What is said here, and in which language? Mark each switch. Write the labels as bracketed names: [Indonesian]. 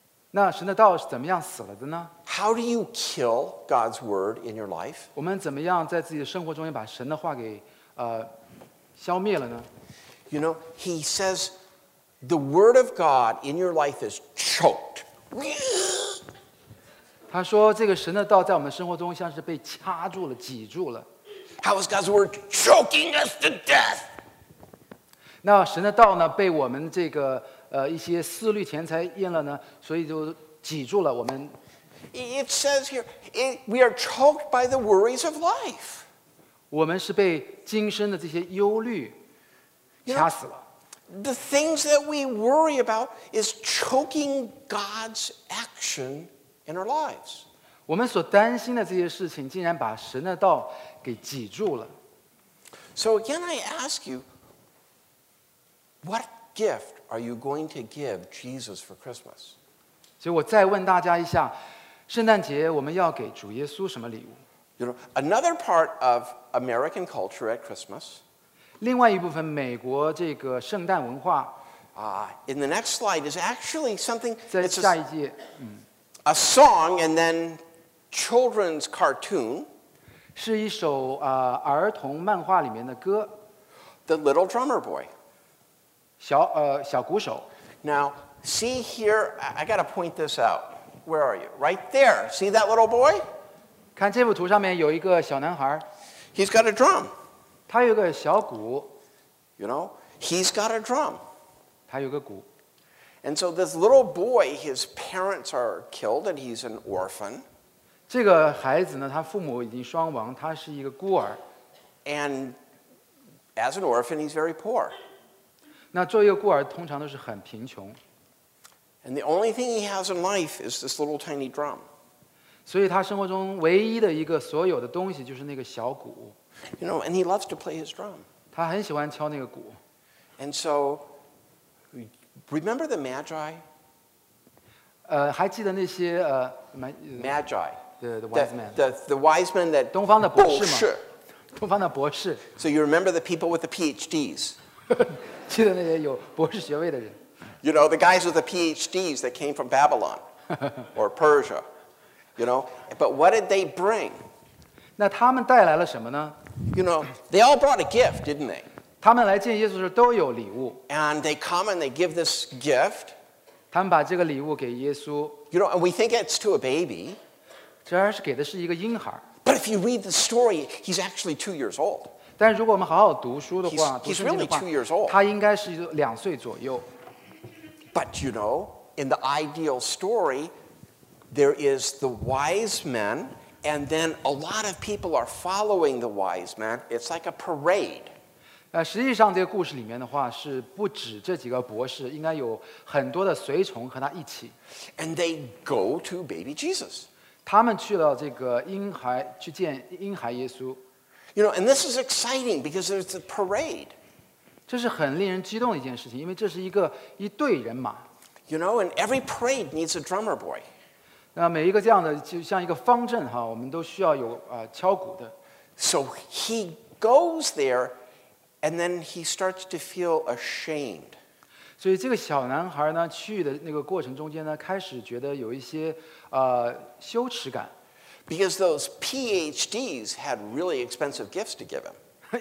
[Chinese] 那神的道是怎么样死了的呢？ [English] How do you kill God's word in your life? [Chinese] 我们怎么样在自己的生活中把神的话给消灭了呢？ [English] You know, he says,The word of God in your life is choked. [Chinese] 他说这个神的道在我们生活中像是被掐住了，挤住了。 [English] How is God's word choking us to death? [Chinese] 那神的道呢，被我们这个一些思虑钱财淹了呢，所以就挤住了我们。 [English] It says here, we are choked by the worries of life. [Chinese] 我们是被今生的这些忧虑掐死了。 [English] The things that we worry about is choking God's action in our lives. [Chinese] 我们所担心的这些事情竟然把神的道给挤住了。 [English] So again I ask you, what gift are you going to give Jesus for Christmas? [Chinese] 所以我再问大家一下，圣诞节我们要给主耶稣什么礼物？ [English] You know, another part of American culture at Christmas, [Chinese] 另外一部分美国这个圣诞文化 [English] in the next slide is actually something, [Chinese] 在下一页 [English] a song and then children's cartoon, [Chinese] 是一首儿童漫画里面的歌 [English] The Little Drummer Boy, [Chinese] 小鼓手 [English] Now, see here, I gotta point this out. Where are you? Right there, see that little boy? [Chinese] 看这幅图上面有一个小男孩 [English] He's got a drum. [Chinese] 他有个小鼓 [English] You know, he's got a drum. [Chinese] 他有个鼓 [English] And so this little boy, his parents are killed and he's an orphan. [Chinese] 这个孩子呢，他父母已经双亡，他是一个孤儿。 [English] And as an orphan, he's very poor. [Chinese] 那作为一个孤儿，通常都是很贫穷。 [English] And the only thing he has in life is this little tiny drum. [Chinese] 所以他生活中唯一的一个所有的东西就是那个小鼓。 [English] You know, and he loves to play his drum. [Chinese] 他很喜欢敲那个鼓。 [English] And so, remember the Magi? [Chinese] 还记得那些Magi. [English] The wise men that [Chinese] 东方的博士吗？东方的博士。 [English] So you remember the people with the PhDs? [Chinese] 记得那些有博士学位的人。 [English] You know, the guys with the PhDs that came from Babylon or Persia, you know. But what did they bring? [Chinese] 那他们带来了什么呢？ [English] You know, they all brought a gift, didn't they? [Chinese] 他们来见耶稣时都有礼物。 [English] And they come and they give this gift. [Chinese] 他们把这个礼物给耶稣。 [English] You know, and we think it's to a baby. [Chinese] 这还是给的是一个婴孩。 [English] But if you read the story, he's actually 2 years old. [Chinese] 但如果我们好好读书的话， [English] he's really 2 years old. [Chinese] 他应该是两岁左右。 [English] But you know, in the ideal story, there is the wise men, and then a lot of people are following the wise men. It's like a parade. [Chinese] 实际上这个故事里面的话是不止这几个博士，应该有很多的随从和他一起。 [English] And they go to baby Jesus. [Chinese] 他们去了这个婴孩，去见婴孩耶稣。 [English] You know, and this is exciting because there's a parade. [Chinese] 这是很令人激动的一件事情，因为这是一个一队人马。 [English] You know, and every parade needs a drummer boy. [Chinese] 那每一个这样的就像一个方阵哈，我们都需要有敲鼓的。 [English] So he goes there, and then he starts to feel ashamed. [Chinese] 所以这个小男孩呢，去的那个过程中间呢，开始觉得有一些羞耻感。 [English] Because those PhDs had really expensive gifts to give him.